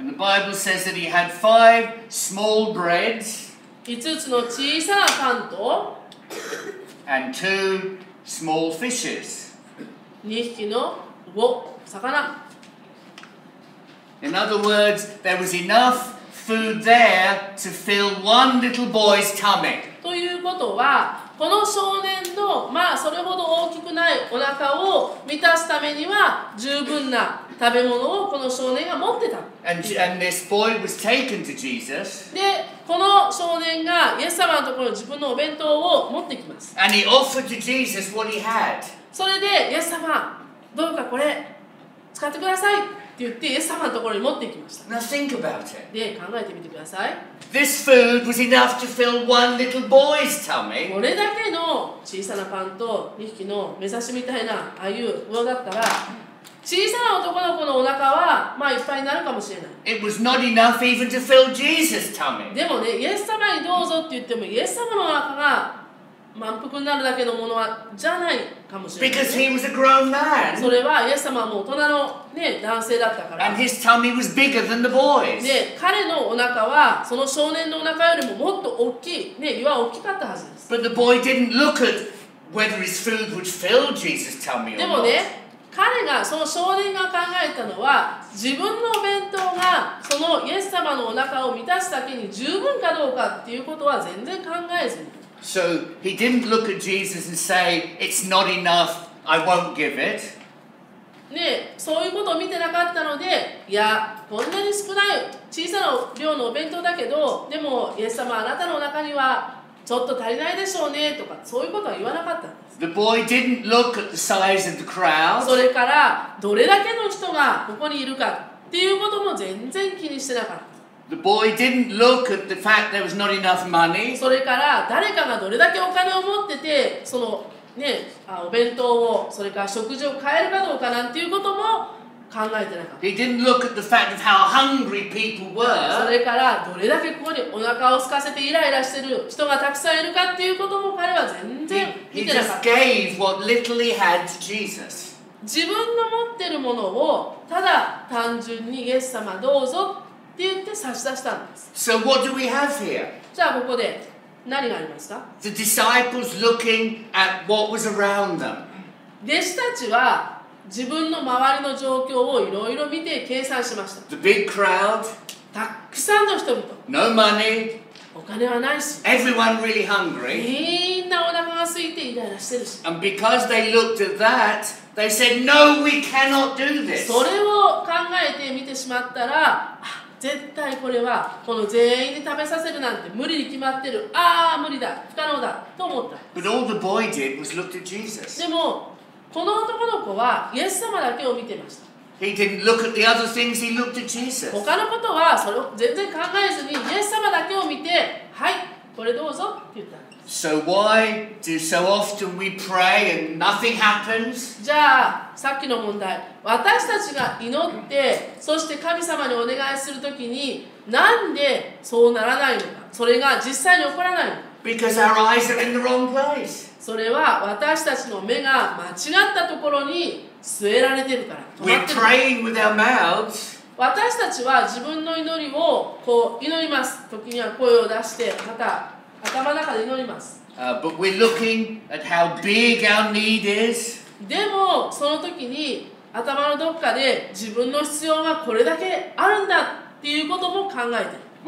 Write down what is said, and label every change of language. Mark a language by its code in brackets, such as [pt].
[en] And the Bible says that he had five small breads. [ja] 5つの小さなパンと、 [en] and two small fishes. [ja] 2匹の魚。 [en] In other words, there was enough food there to fill one little boy's tummy. [ja] ということは、この少年の、まあそれほど大きくないお腹を満たすためには十分な食べ物をこの少年が持ってた。 [en] And this boy was taken to Jesus. [ja] で、この少年がイエス様のところに自分のお弁当を持ってきます。 [en] And he offered to Jesus what he had. [ja] それで、イエス様、どうかこれ使ってくださいって言ってイエス様のところに持ってきました。 [en] Now think about it. [ja] で、考えてみてください。 [en] This food was enough to fill one little boy's tummy. [ja] これだけの小さなパンと2匹の目刺しみたいなああいう魚だったら、小さな男の子のお腹はまあいっぱいになるかもしれない。 [en] It was not enough even to fill Jesus' tummy. [ja] でもね、イエス様にどうぞって言っても、イエス様のお腹が満腹になるだけのものはじゃないかもしれない、ね。 [en] Because he was a grown man. [ja] それはイエス様はもう大人の、ね、男性だったから。 [en] And his tummy was bigger than the boy's. [ja] で、彼のお腹はその少年のお腹よりももっと大きい、ね、岩は大きかったはずです。 [en] But the boy didn't look at whether his food would fill Jesus' tummy or not. [ja] でもね、彼がその少年が考えたのは、自分の弁当がそのイエス様のお腹を満たすだけに十分かどうかっていうことは全然考えずに。 [en] So he didn't look at Jesus and say, it's not enough, I won't give it. [ja] ね、そういうことを見てなかったので、いや、こんなに少ない小さな量のお弁当だけど、でも、イエス様、あなたのお腹にはちょっと足りないでしょうねとか、そういうことは言わなかったんです。 [en] The boy didn't look at the size of the crowd. [ja] それから、どれだけの人がここにいるかっていうことも全然気にしてなかった。 [en] The boy didn't look at the fact there was not enough money. [ja] それから、誰かがどれだけお金を持ってて、そのね、あ、お弁当を、それから食事を変えるかどうかなんていうことも考えてなかった。 [en] He didn't look at the fact of how hungry people were. [ja] それから、どれだけここにお腹を空かせてイライラしてる人がたくさんいるかっていうことも彼は全然見てなかった。 [en] He just gave what little he had to Jesus. [ja] 自分の持ってるものを、ただ単純にイエス様どうぞって言って差し出したんです。 [en] So what do we have here? [ja] じゃあここで。何がありますか? [en] The disciples looking at what was around them. [ja] 弟子たちは自分の周りの状況をいろいろ見て計算しました。 [en] The big crowd. [ja] たくさんの人々。 [en] No money. [ja] お金はないし。 [en] Everyone really hungry. [ja] みんなお腹が空いてイライラしてるし。 [en] And because they looked at that, they said, No, we cannot do this. [ja] それを考えてみてしまったら、絶対これはこの全員に食べさせるなんて無理に決まってる。ああ無理だ、不可能だと思った。 [en] But all the boy did was looked at Jesus. [ja] でもこの男の子はイエス様だけを見てました。 [en] He didn't look at the other things. He looked at Jesus. [ja] 他のことはそれを全然考えずにイエス様だけを見て、はい、これどうぞって言ったんです。 [en] So why do so often we pray and nothing happens? [ja] じゃあさっきの問題、私たちが祈ってそして神様にお願いするときに、なんでそうならないのか、それが実際に起こらないのか。 [en] Because our eyes are in the wrong place. [ja] それは私たちの目が間違ったところに据えられてるから。 [en] We're praying with our mouths. [ja] 私たちは自分の祈りをこう祈ります。時には声を出してまた頭の中で祈ります。 [en] But we're looking at how big our need is. [ja] でもその時に頭のどこかで自分の必要がこれだけあるんだっていうことも考えてる。